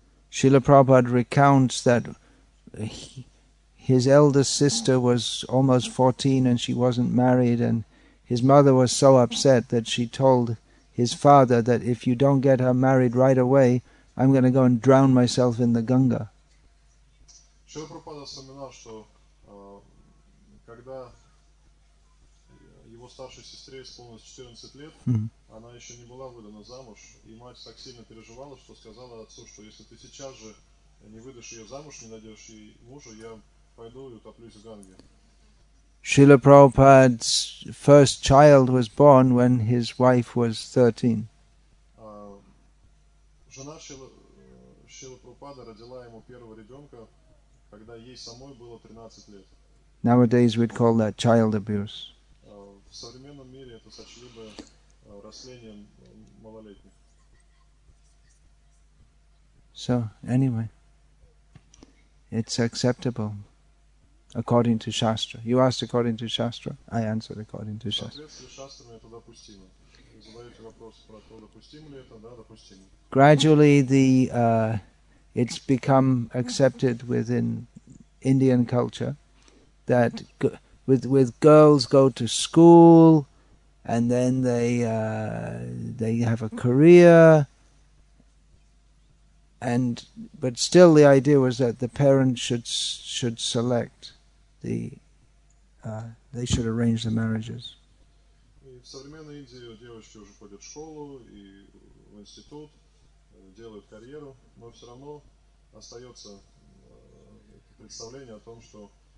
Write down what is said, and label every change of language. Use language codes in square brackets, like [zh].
[en] Srila Prabhupada recounts that his eldest sister was almost 14 and she wasn't married, and his mother was so upset that she told his father that if you don't get her married right away, I'm going to go and drown myself in the Ganga. [ru] Srila Prabhupada вспоминал, что когда его старшей сестре исполнилось 14 лет, она еще не была выдана замуж, и мать так сильно переживала, что сказала отцу, что если ты сейчас же не выдашь ее замуж, не найдешь ей мужа, я пойду и утоплюсь в Ганге. [en] Srila Prabhupada's first child was born when his wife was 13. [ru] Жена Шрила Прабхупады родила ему первого ребенка, когда ей самой было 13 лет. [en] Nowadays we'd call that child abuse. [ru] В современном мире это сочли бы растлением малолетних. [en] So, anyway, it's acceptable according to Shastra. You asked according to Shastra, I answered according to Shastra. [ru] Соответственно, Shastra это допустимо. Вы задаете вопрос про то, допустимо ли это, да, допустимо. [en] Gradually it's become accepted within Indian culture that with girls go to school, and then they have a career, but still the idea was that the parents should select the they should arrange the marriages. [ru] В современной Индии девочки уже ходят в школу и в институт, делают карьеру, но все равно остается представление о том, что